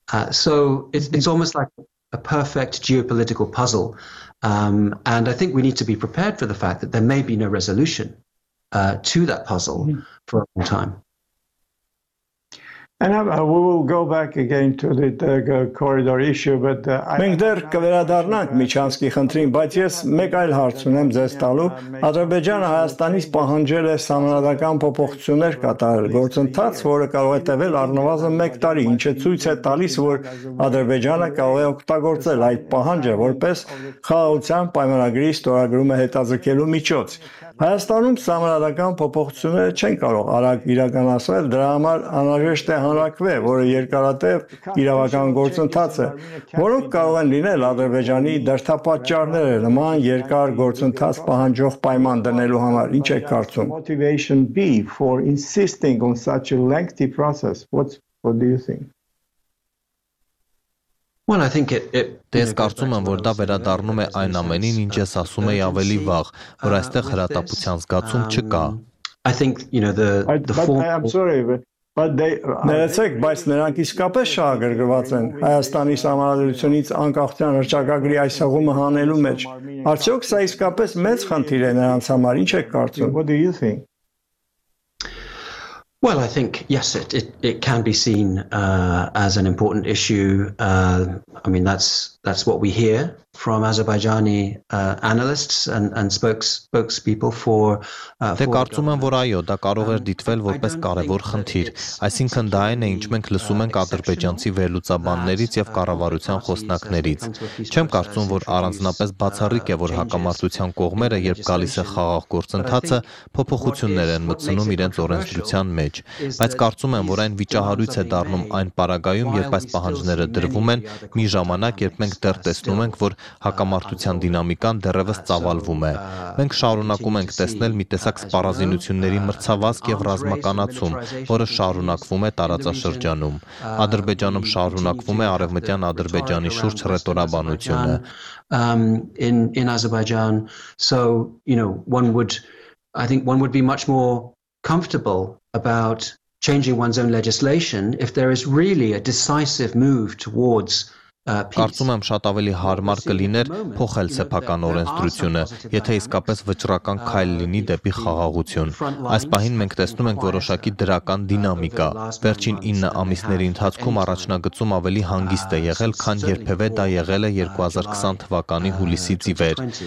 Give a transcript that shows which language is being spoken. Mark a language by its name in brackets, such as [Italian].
[English] So it's almost like a perfect geopolitical puzzle, and I think we need to be prepared for the fact that there may be no resolution to that puzzle for a long time. And we will go back again to the corridor issue, but [Armenian] մենք դեռ կվերադառնանք Միջանցքի խնդրին, բայց ես մեկ այլ հարց ունեմ ձեզ տալու։ Ադրբեջանը Հայաստանից պահանջել է սահմանադրական փոփոխություններ կատարել, գործընթաց, որը կարող է տևել առնվազն 1 տարի, ինչը ցույց է տալիս, որ Ադրբեջանը կարող է օգտագործել այդ պահանջը որպես խաղաղության պայմանագրի ստորագրումը հետաձգելու միջոց։ Հայաստանում սահմանադրական փոփոխությունները չեն կարող արագ իրականացվել, դրա համար անհրաժեշտ է հանրակրվե, որը երկարատև իրավական գործընթաց է, որոնք կարող են լինել Ադրբեջանի դրդապատճառները նման երկար գործընթաց պահանջող պայման դնելու համար։ Ինչ եք կարծում? [English] Motivation B for insisting on such a lengthy process. What do you think? Well, I think [Armenian] ես կարծում եմ, որ դա վերադառնում է այն ամենին, ինչ ես ասում եի ավելի վաղ, որ այստեղ հրատապության զգացում չկա։ [English] I think, you know, the form. I'm sorry, but they [Armenian] Ներեցեք, բայց նրանք իսկապես շահագրգռված են Հայաստանի համարարությունից անկախության հռչակագրի այս հղումը հանելու մեջ։ Արդյոք սա իսկապես մեծ խնդիր է նրանց համար, ինչ եք կարծում? [English] What do you think? Well, I think yes, it can be seen as an important issue. I mean, that's what we hear from Azerbaijani analysts and spokespeople for [Armenian] Դե կարծում եմ, որ այո, դա կարող է դիտվել որպես կարևոր խնդիր, այսինքն դա այն է, ինչ մենք լսում ենք ադրբեջանցի վերլուծաբաններից եւ կառավարության խոսնակներից։ Չեմ կարծում, որ առանձնապես բացառիկ է, որ հակամարտության կողմերը, երբ գալիս է խաղաղ գործընթացը, փոփոխություններ են մտցնում իրենց օրենսդրության մեջ, բայց կարծում եմ, որ այն վիճահարույց է դառնում այն պարագայում, երբ այս պահանջները դրվում են մի ժամանակ, երբ մենք դեռ տեսնում ենք, որ հակամարտության դինամիկան դեռևս ծավալվում է։ Մենք շարունակում ենք տեսնել մի տեսակ սպառազինությունների մրցավազք եւ ռազմականացում, որը շարունակվում է տարածաշրջանում։ Ադրբեջանում շարունակվում է արևմտյան Ադրբեջանի շուրջ ռետորաբանությունը։ [English] In Azerbaijan, so, you know, one would be much more comfortable about changing one's own legislation if there is really a decisive move towards [Armenian] Կարծում եմ շատ ավելի հարմար կլիներ փոխել սեփական օրենսդրությունը, եթե իսկապես վճռական քայլ լինի դեպի խաղաղություն։ Այս պահին մենք տեսնում ենք որոշակի դրական դինամիկա։ Վերջին 9 ամիսների ընթացքում առաջնագծում ավելի հանգիստ է եղել, քան երբևէ դա եղել է 2020 թվականի հուլիսից ի վեր։